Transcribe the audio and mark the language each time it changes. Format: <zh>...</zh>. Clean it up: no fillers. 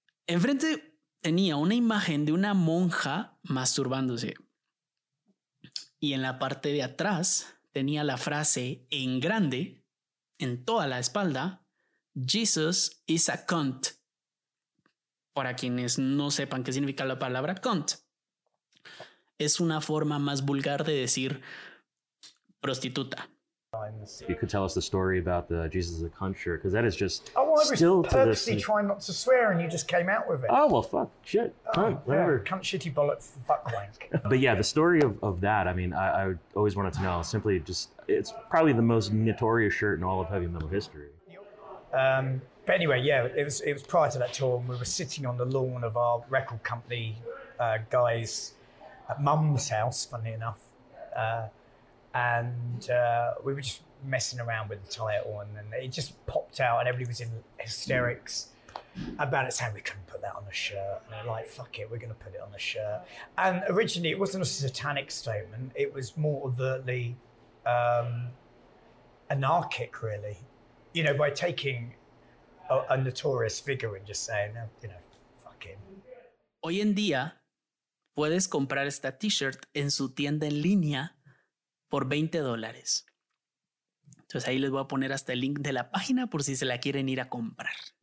<es>Enfrente tenía una imagen de una monja masturbándose, y en la parte de atrás tenía la frase en grande, en toda la espalda:</es> <en>Jesus is a cunt.</en> <es>Para quienes no sepan qué significa la palabra cunt, es una forma más vulgar de decir prostituta.</es> <en>You could tell us the story about the Jesus is a cunt shirt, because that is just still to this. I was purposely trying not to swear, and you just came out with it. Oh well, fuck, shit, cunt, whatever. Yeah, cunt, shitty bullet, fuck wank. But yeah, the story of that. I mean, I always wanted to know. Simply, just it's probably the most notorious shirt in all of heavy metal history. But anyway, yeah, it was prior to that tour, and we were sitting on the lawn of our record company guys at mum's house, funnily enough, and we were just messing around with the title, and then it just popped out and everybody was in hysterics about it, saying we couldn't put that on the shirt, and they're like, fuck it, we're gonna put it on the shirt. And originally it wasn't a satanic statement, it was more overtly anarchic, really. You know, by taking a notorious figure and just saying, you know, fuck him.</en> <es>Hoy en día, puedes comprar esta t-shirt en su tienda en línea por $20. Entonces ahí les voy a poner hasta el link de la página por si se la quieren ir a comprar.</es>